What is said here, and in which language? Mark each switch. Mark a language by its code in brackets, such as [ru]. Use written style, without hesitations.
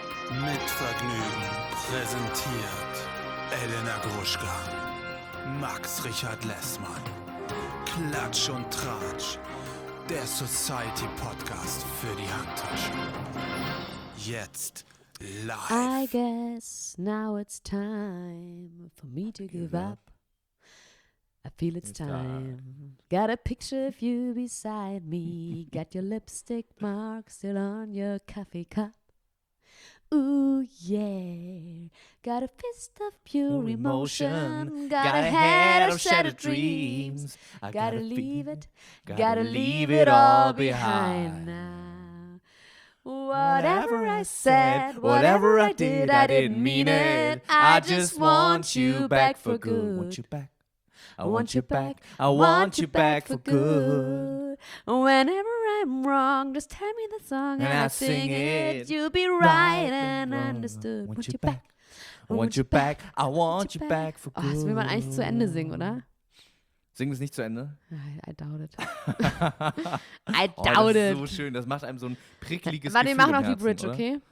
[de] Mitvergnügen präsentiert Elena Gruschka, Max Richard Lessmann, Klatsch und Tratsch, der Society Podcast für die Handtasche. Jetzt live. [en] I guess now it's time for me to give up. I feel it's time. Got a picture of you beside me. Got your lipstick mark still on your coffee cup. Ooh, yeah. Got a fist of pure emotion. Got a head of shattered dreams. Gotta leave it. Gotta leave it all behind now. Whatever I said, whatever I did, I didn't mean it. I just want you back for good. Want you back. I want you back. I want you back for good. Whenever I'm wrong, just tell me the song and I sing it. You'll be right and understood. Want you back. I want you back. I want you back for good. [de] Oh, das will man eigentlich zu Ende singen, oder? Singen wir es nicht zu Ende? [en] I doubt it. I doubt it. [de] Oh, das ist so schön. Das macht einem so ein prickliges Gefühl. Warte, wir machen noch die Bridge, okay?